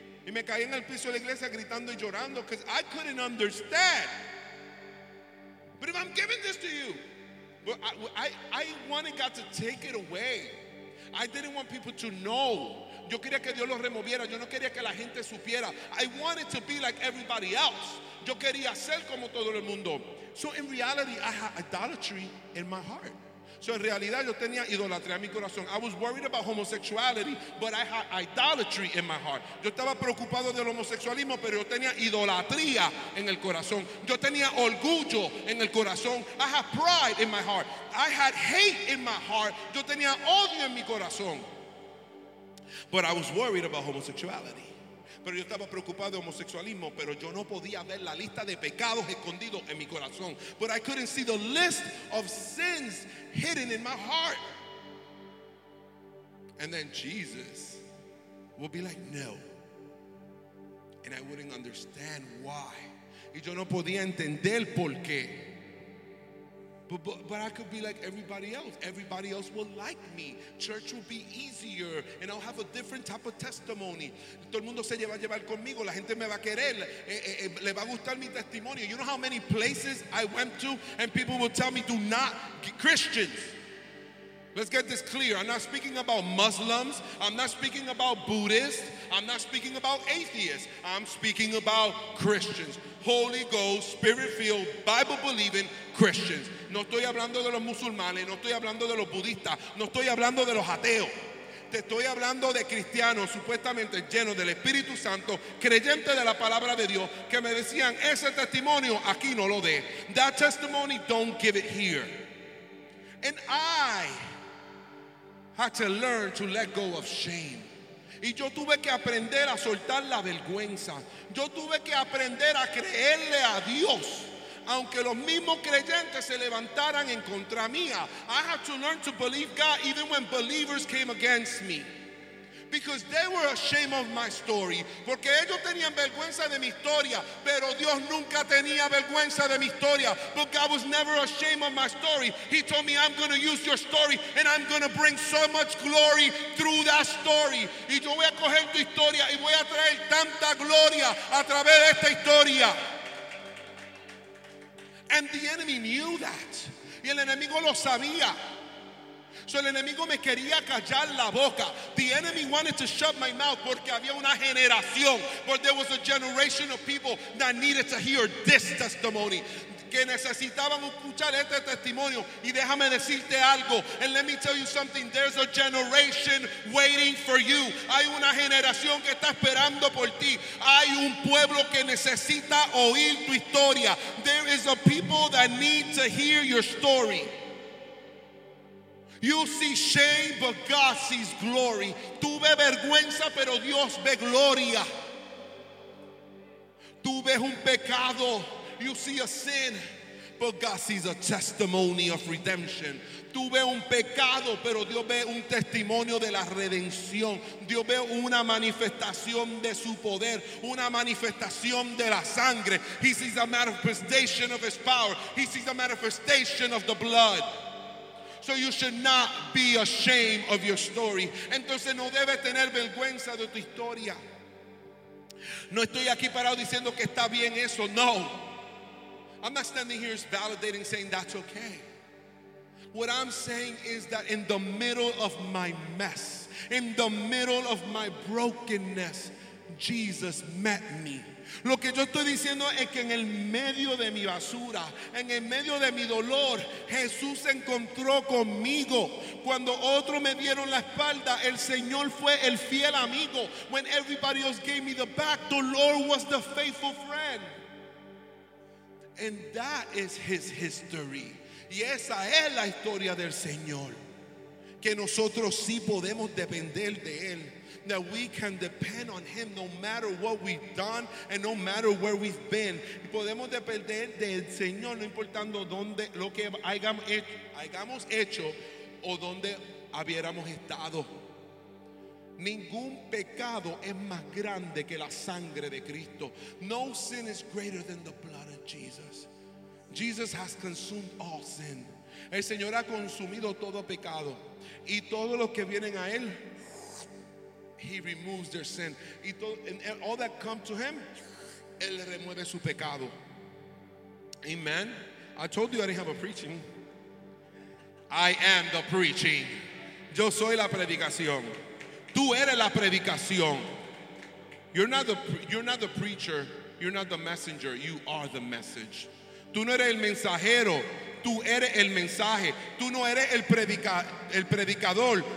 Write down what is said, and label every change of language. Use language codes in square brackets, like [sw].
[es] Y me caí en el piso de la iglesia gritando y llorando. [en] Because I couldn't understand. But if I'm giving this to you. But I wanted God to take it away. I didn't want people to know. [es] Yo quería que Dios lo removiera. Yo no quería que la gente supiera. [en] I wanted to be like everybody else. [es] Yo quería ser como todo el mundo. [en] So in reality, I had idolatry in my heart. [es] So en realidad, yo tenía idolatría en mi corazón. [en] I was worried about homosexuality, but I had idolatry in my heart. [es] Yo estaba preocupado del homosexualismo, pero yo tenía idolatría en el corazón. Yo tenía orgullo en el corazón. [en] I had pride in my heart. I had hate in my heart. [es] Yo tenía odio en mi corazón. [en] But I was worried about homosexuality. [es] Pero yo estaba preocupado de homosexualismo, pero yo no podía ver la lista de pecados escondidos en mi corazón. [en] But I couldn't see the list of sins hidden in my heart. And then Jesus would be like, no. And I wouldn't understand why. [es] Y yo no podía entender por qué. [en] But I could be like everybody else. Everybody else will like me. Church will be easier. And I'll have a different type of testimony. [es] Todo el mundo se va a llevar conmigo. La gente me va a querer. Le va a gustar mi testimonio. [en] You know how many places I went to and people will tell me, do not get Christians. Let's get this clear. I'm not speaking about Muslims. I'm not speaking about Buddhists. I'm not speaking about atheists. I'm speaking about Christians. Holy Ghost, Spirit-filled, Bible-believing Christians. [es] No estoy hablando de los musulmanes. No estoy hablando de los budistas. No estoy hablando de los ateos. Te estoy hablando de cristianos, supuestamente llenos del Espíritu Santo, creyentes de la palabra de Dios, que me decían, ese testimonio aquí no lo dé. [en] That testimony, don't give it here. And I had to learn to let go of shame. [es] Y yo tuve que aprender a soltar la vergüenza. Yo tuve que aprender a creerle a Dios. Aunque los mismos creyentes se levantaran en contra mía, [en] I had to learn to believe God even when believers came against me. Because they were ashamed of my story. [es] Porque ellos tenían vergüenza de mi historia. Pero Dios nunca tenía vergüenza de mi historia. [en] But God was never ashamed of my story. He told me, I'm going to use your story. And I'm going to bring so much glory through that story. [es] Y yo voy a coger tu historia. Y voy a traer tanta gloria a través de esta historia. [en] And the enemy knew that. [es] Y el enemigo lo sabía. So el enemigo me quería callar la boca. [en] The enemy wanted to shut my mouth [es] porque había una generación. [en] But there was a generation of people that needed to hear this testimony. [es] Que necesitaban escuchar este testimonio. Y déjame decirte algo. [en] And let me tell you something. There's a generation waiting for you. [es] Hay una generación que está esperando por ti. Hay un pueblo que necesita oír tu historia. [en] There is a people that need to hear your story. You see shame, but God sees glory. [es] Tuve vergüenza, pero Dios ve gloria. Tuve un pecado. [en] You see a sin, but God sees a testimony of redemption. [es] Tuve un pecado, pero Dios ve un testimonio de la redención. Dios ve una manifestación de su poder, una manifestación de la sangre. [en] He sees a manifestation of his power. He sees a manifestation of the blood. So you should not be ashamed of your story. [es] Entonces no debes tener vergüenza de tu historia. No estoy aquí parado diciendo que está bien eso. No. [en] I'm not standing here validating saying that's okay. What I'm saying is that in the middle of my mess, in the middle of my brokenness, Jesus met me. [es] Lo que yo estoy diciendo es que en el medio de mi basura, en el medio de mi dolor, Jesús se encontró conmigo. Cuando otros me dieron la espalda, el Señor fue el fiel amigo. [en] When everybody else gave me the back, the Lord was the faithful friend. And that is his history. [es] Y esa es la historia del Señor. Que nosotros sí podemos depender de él. [en] That we can depend on him no matter what we've done and no matter where we've been. [es] Y podemos depender del Señor no importando donde lo que hayamos hecho o donde hubiéramos estado. Ningún pecado es más grande que la sangre de Cristo. [en] No sin is greater than the blood of Jesus. Jesus has consumed all sin. [es] El Señor ha consumido todo pecado. Y todos los que vienen a él, [en] he removes their sin. And all that come to him, [es] él remueve su pecado. [en] Amen. I told you I didn't have a preaching. I am the preaching. [es] Yo soy la predicación. Tú eres la predicación. [en] You're not the preacher. You're not the messenger. You are the message. [es] Tú no eres el mensajero. Tú eres el mensaje. Tú no eres el predicador.